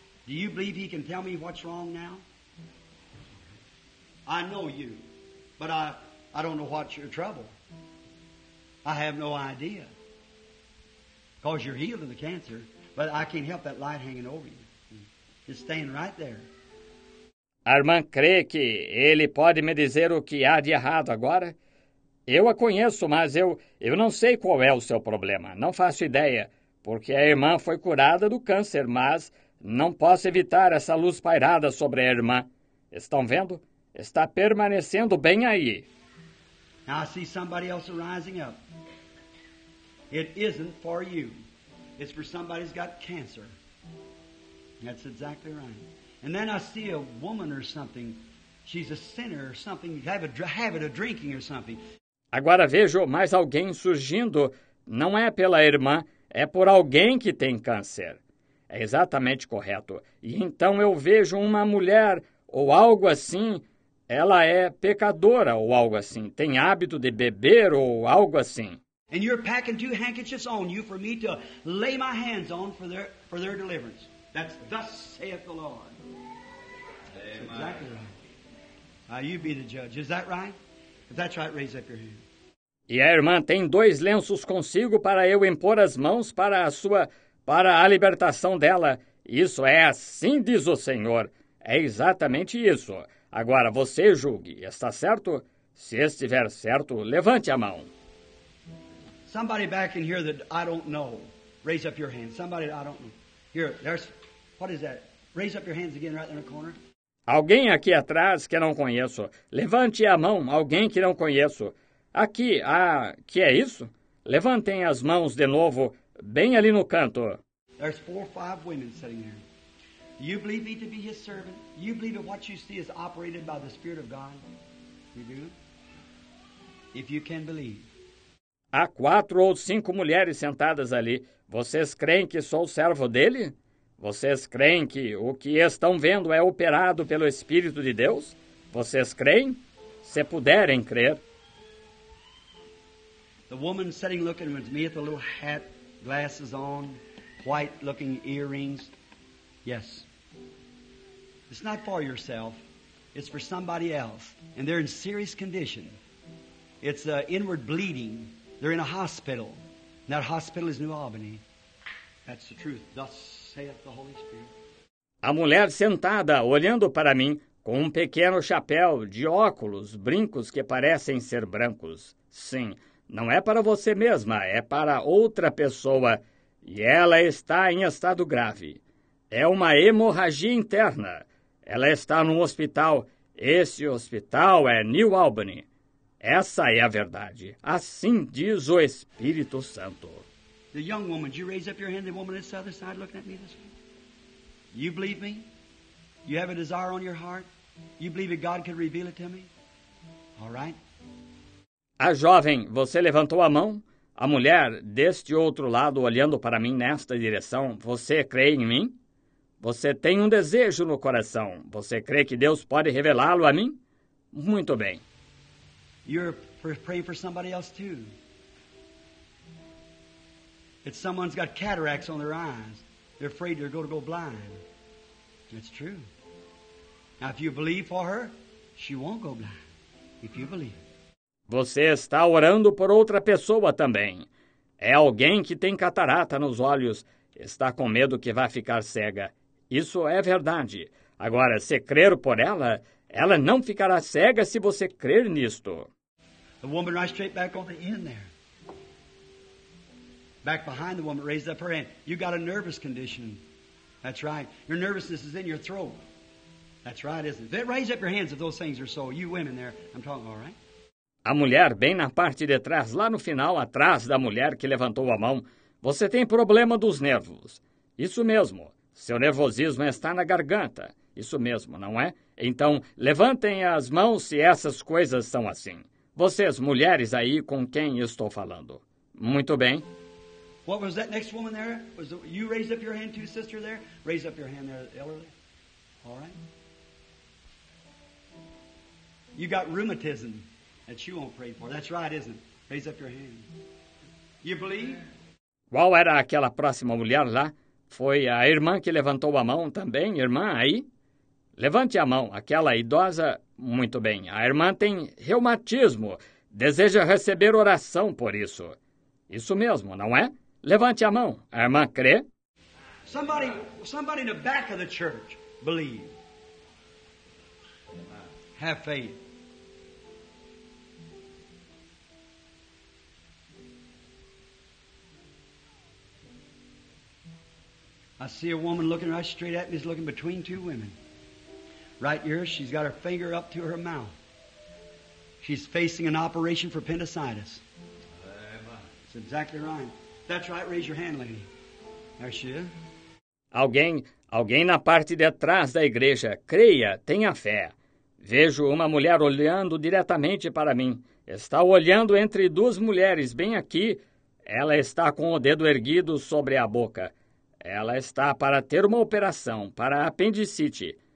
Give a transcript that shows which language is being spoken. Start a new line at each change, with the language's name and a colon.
English: Do you believe he can tell me what's wrong now? I know you, but I don't know what's your trouble. I have no idea. Because you're healed of the cancer, but I can't help that light hanging over you. It's staying right there.
Portuguese: A irmã crê que ele pode me dizer o que há de errado agora? Eu a conheço, mas eu não sei qual é o seu problema. Não faço ideia, porque a irmã foi curada do câncer, mas não posso evitar essa luz pairada sobre a irmã. Estão vendo? Está permanecendo bem aí.
English: Now I see somebody else rising up. It isn't for you. It's for somebody who's got cancer. That's exactly right. And then I see a woman or something. She's a sinner or something. You have a habit of drinking or something.
Portuguese: Agora vejo mais alguém surgindo. Não é pela irmã, é por alguém que tem câncer. É exatamente correto. E então eu vejo uma mulher ou algo assim, ela é pecadora ou algo assim, tem hábito de beber ou algo assim.
English: And you're packing two handkerchiefs on you for me to lay my hands on for their deliverance. That's thus saith the Lord. Amen. That's exactly right. Now you be the judge. Is that right? If that's right, raise up your hand.
Portuguese: E a irmã tem dois lenços consigo para eu impor as mãos para a sua, para a libertação dela. Isso é assim, diz o Senhor. É exatamente isso. Agora você julgue. Está certo? Se estiver certo, levante a mão.
English: Somebody back in here that I don't know. Raise up your hand. Somebody that I don't know. Here, there's... What is that? Raise up your hands again right there in the corner.
Portuguese: Alguém aqui atrás que não conheço. Levante a mão, alguém que não conheço. Aqui, ah, que é isso? Levantem as mãos de novo, bem ali no canto.
English: There's four or five women sitting here. Do you believe me to be his servant? Do you believe that what you see is operated by the Spirit of God? You do? If you can believe.
Portuguese: Há quatro ou cinco mulheres sentadas ali. Vocês creem que sou servo dele? Vocês creem que o que estão vendo é operado pelo Espírito de Deus? Vocês creem? Se puderem crer.
English: The woman sitting looking with me with a little hat, glasses on, white looking earrings. Yes. It's not for yourself. It's for somebody else. And they're in serious condition. It's an inward bleeding. They're in a hospital. And that hospital is New Albany. That's the truth. Thus saith the Holy Spirit.
Portuguese: A mulher sentada, olhando para mim, com um pequeno chapéu de óculos, brincos que parecem ser brancos. Sim, não é para você mesma, é para outra pessoa. E ela está em estado grave. É uma hemorragia interna. Ela está num hospital. Esse hospital é New Albany. Essa é a verdade. Assim diz o Espírito Santo.
English: The young woman, did you raise up your hand, the woman on the other side looking at me this way? You believe me? You have a desire on your heart? You believe that God can reveal it to me? All right?
Portuguese: A jovem, você levantou a mão? A mulher, deste outro lado, olhando para mim nesta direção, você crê em mim? Você tem um desejo no coração. Você crê que Deus pode revelá-lo a mim? Muito bem.
English: You're praying for somebody else too. It's someone's got cataracts on their eyes. They're afraid they're going to go blind. It's true. Now, if you believe for her, she won't go blind. If you believe.
Portuguese: Você está orando por outra pessoa também. É alguém que tem catarata nos olhos. Está com medo que vá ficar cega. Isso é verdade. Agora, se crer por ela, ela não ficará cega se você crer nisto.
English: The woman right straight back on the end there. Back behind the woman, raised up her hand. You got a nervous condition. That's right. Your nervousness is in your throat. That's right, isn't it? Raise up your hands if those things are so. You women there, I'm talking, all right?
Portuguese: A mulher bem na parte de trás, lá no final, atrás da mulher que levantou a mão. Você tem problema dos nervos. Isso mesmo. Seu nervosismo está na garganta. Isso mesmo, não é? Então, levantem as mãos se essas coisas são assim. Vocês, mulheres aí, com quem estou falando. Muito bem.
English: What was that next woman there? Was it, you raise up your hand too, sister there? Raise up your hand there, elderly. All right. You got rheumatism that you won't pray for. That's right, isn't it? Raise up your hand. You believe?
Portuguese: Qual era aquela próxima mulher lá? Foi a irmã que levantou a mão também, irmã aí? Levante a mão, aquela idosa, muito bem. A irmã tem reumatismo, deseja receber oração por isso. Isso mesmo, não é? Levante a mão, a irmã crê?
English: Somebody in the back of the church, believe. Have faith. I see a woman looking right straight at me, is looking between two women. Right here, she's got her finger up to her mouth. She's facing an operation for appendicitis. That's exactly right. That's right, raise your hand, lady. There she is.
Portuguese: Alguém na parte de trás da igreja, creia, tenha fé. Vejo uma mulher olhando diretamente para mim. Está olhando entre duas mulheres, bem aqui. Ela está com o dedo erguido sobre a boca. Ela está para ter uma operação para apendicite.